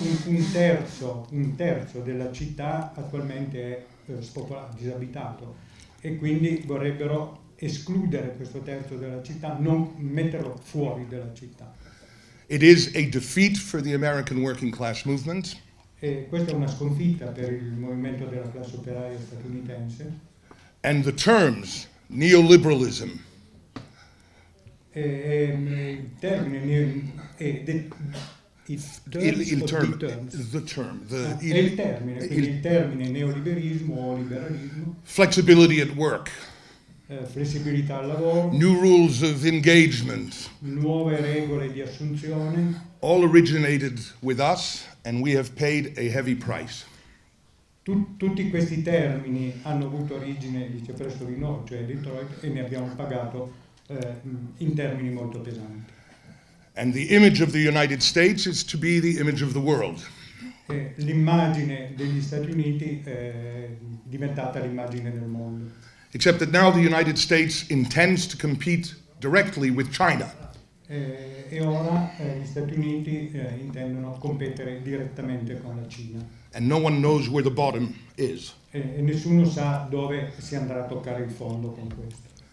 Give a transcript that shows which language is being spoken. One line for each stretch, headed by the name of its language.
Italian: Un terzo della città attualmente è spopolato, disabitato, e quindi vorrebbero escludere questo terzo della città, non metterlo fuori della città.
English: It is a defeat for the American working class movement.
Italian: E questa è una sconfitta per il movimento della classe operaia statunitense.
English: And the terms neoliberalism.
Italian: Il termine neoliberismo o liberalismo.
English: Flexibility at work.
Italian: flessibilità al lavoro,
English: new rules of engagement,
Italian: nuove regole di assunzione,
English: all originated with us and we have paid a heavy price.
Italian: Tutti questi termini hanno avuto origine, dice presso di noi, cioè Detroit, e ne abbiamo pagato in termini molto pesanti.
English: And the image of the United States is to be the image of the world.
Italian: L'immagine degli Stati Uniti è diventata l'immagine del mondo.
English: Except that now the United States intends to compete directly with China.
Italian: E ora gli Stati Uniti intendono competere direttamente con la Cina.
English: And no one knows where the bottom is.
Italian: E nessuno sa dove si andrà a toccare il fondo con questo.